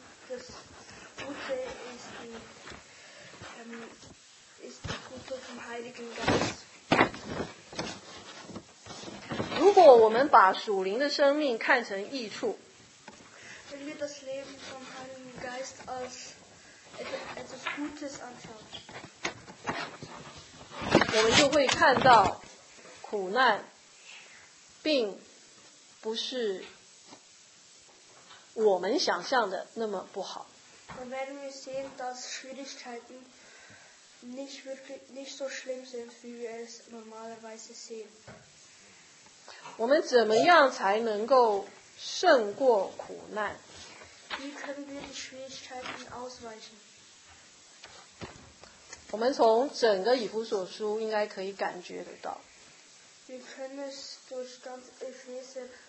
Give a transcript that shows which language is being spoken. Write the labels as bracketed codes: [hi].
[de] Das Gute ist das Gute vom Heiligen Geist. [zh] 如果我们把属灵的生命看成益处， [de] Wenn wir das Leben vom Heiligen Geist als etwas Gutes anschauen, [zh] 我们就会看到苦难并不是我们想象的那么不好。 [de] Dann werden wir sehen, dass Schwierigkeiten nicht wirklich nicht so schlimm sind, wie wir es normalerweise sehen. [zh] 我们怎么样才能够胜过苦难？ [de] Wie können wir die Schwierigkeiten ausweichen? [zh] 我们从整个以弗所书应该可以感觉得到。 [de] Wir können es durch ganz Epheser